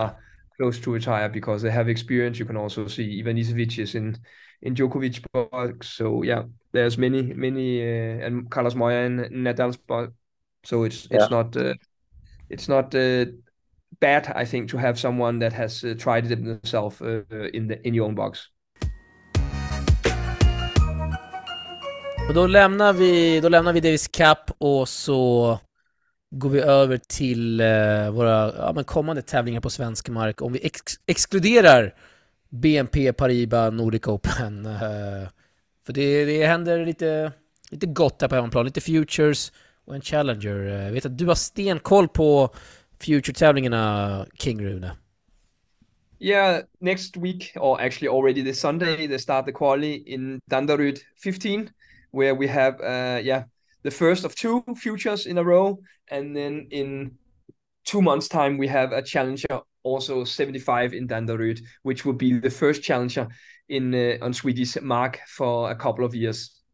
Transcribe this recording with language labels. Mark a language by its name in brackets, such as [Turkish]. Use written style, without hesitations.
[English] are close to retire because they have experience. You can also see Ivanisevic is in Djokovic box. So yeah, there's many and Carlos Moya in Nadal's box. So Yeah. it's not bad, I think, to have someone that has tried it themselves in your own box. [Swedish] Och då lämnar vi Davis Cup och så går vi över till våra, ja, men kommande tävlingar på svensk mark. Om vi exkluderar BNP Paribas Nordic Open. För det händer lite gott här på hemmaplan. Lite futures och en challenger. Jag vet att du har stenkoll på future-tävlingarna, King Rune. [English] Yeah, next week, or actually already this Sunday, they start the quali in Danderyd 15, where we have the first of two futures in a row, and then in 2 months' time we have a challenger also 75 in Danderyd, which will be the first challenger in on Swedish mark for a couple of years.